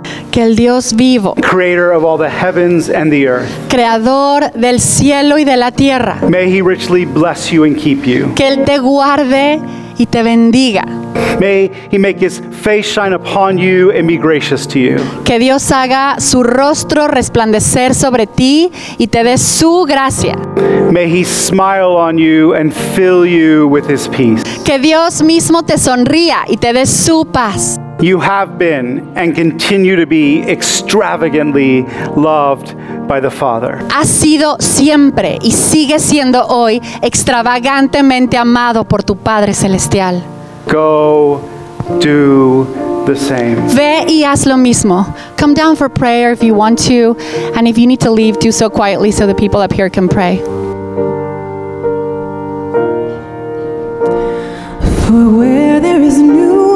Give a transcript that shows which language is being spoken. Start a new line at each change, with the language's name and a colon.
Spanish: que el Dios vivo,
English: creator of all the heavens and the earth,
Spanish: creador del cielo y de la tierra,
English: may He richly bless you and keep you,
Spanish: que él te guarde y te bendiga,
English: may He make His face shine upon you and be gracious to you,
Spanish: que Dios haga su rostro resplandecer sobre ti y te dé su gracia,
English: may He smile on you and fill you with His peace,
Spanish: que Dios mismo te sonría y te dé su paz.
English: You have been and continue to be extravagantly loved by the Father.
Spanish: Has sido siempre y sigue siendo hoy extravagantemente amado por tu Padre Celestial.
English: Go do the same.
Spanish: Ve y haz lo mismo.
English: Come down for prayer if you want to, and if you need to leave, do so quietly so the people up here can pray. For where there is new